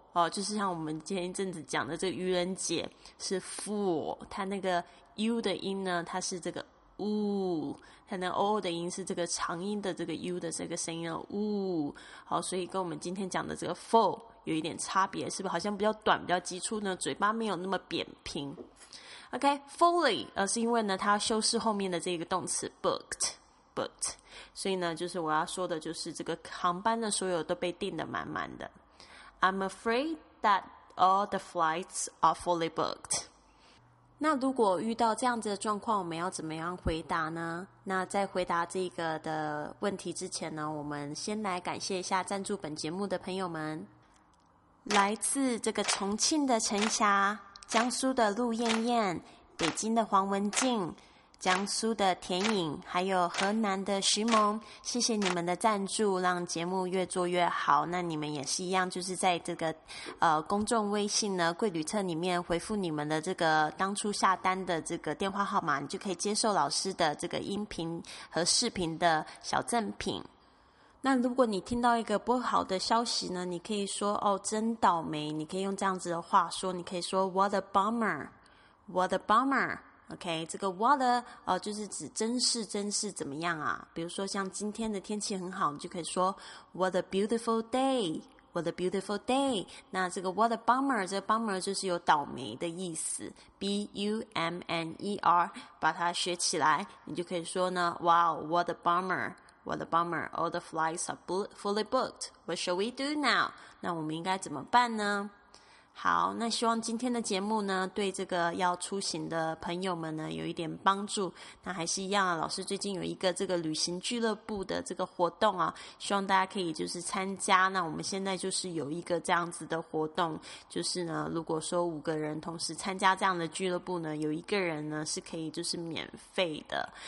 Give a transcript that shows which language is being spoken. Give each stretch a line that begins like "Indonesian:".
Chinese: 就是像我们前一阵子讲的这个愚人节是 fool， 他那个 u 的音呢他是这个 oo， 他那 o 的音是这个长音的这个 u 的这个声音 oo， 好，所以跟我们今天讲的这个 fool 有一点差别，是不是好像比较短比较急促呢，嘴巴没有那么扁平。 OK fully 是因为呢他要修饰后面的这个动词 booked booked， 所以呢，就是我要说的就是这个航班的所有都被订得满满的。
English: I'm afraid that all the flights are fully booked。
Chinese: 那如果遇到这样子的状况，我们要怎么样回答呢？那在回答这个的问题之前呢，我们先来感谢一下赞助本节目的朋友们。来自这个重庆的陈霞，江苏的陆燕燕，北京的黄文静，江苏的田颖，还有河南的徐萌，谢谢你们的赞助，让节目越做越好。那你们也是一样，就是在这个公众微信呢贵旅册里面回复你们的这个当初下单的这个电话号码，你就可以接受老师的这个音频和视频的小赠品。那如果你听到一个不好的消息呢，你可以说哦真倒霉，你可以用这样子的话说，你可以说
English: What a bummer, What a bummer。
Chinese: OK， 这个 what 就是指真是怎么样啊？比如说像今天的天气很好，你就可以说
English: what a beautiful day， what a beautiful day。
Chinese: 那这个
English: what a bummer，
Chinese: 这个 bummer 就是有倒霉的意思 ，b u m n e r， 把它学起来，你就可以说呢 ，
English: wow， what a bummer， what a bummer， all the flights are fully booked， what shall we do now？
Chinese: 那我们应该怎么办呢？好，那希望今天的节目呢对这个要出行的朋友们呢有一点帮助。那还是一样啊，老师最近有一个这个旅行俱乐部的这个活动啊，希望大家可以就是参加。那我们现在就是有一个这样子的活动，就是呢如果说五个人同时参加这样的俱乐部呢，有一个人呢是可以就是免费的。